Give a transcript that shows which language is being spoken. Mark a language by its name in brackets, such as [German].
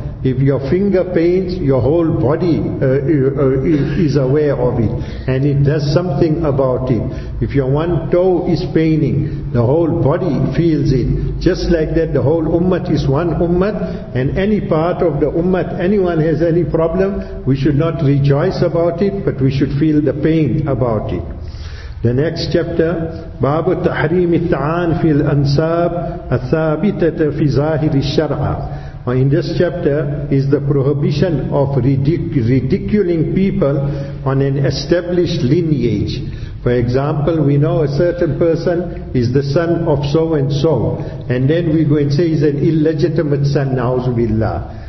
[English] If your finger pains, your whole body is aware of it, and it does something about it. If your one toe is paining, the whole body feels it. Just like that, the whole ummah is one ummah, and any part of the ummah, anyone has any problem, we should not rejoice about it, but we should feel the pain about it. The next chapter, [Arabic] باب تحريم الطعان في الأنساب الثابتة في ظاهر الشرع. [English] In this chapter is the prohibition of ridiculing people on an established lineage. For example, we know a certain person is the son of so and so, and then we go and say he's an illegitimate son, na'uzu billah.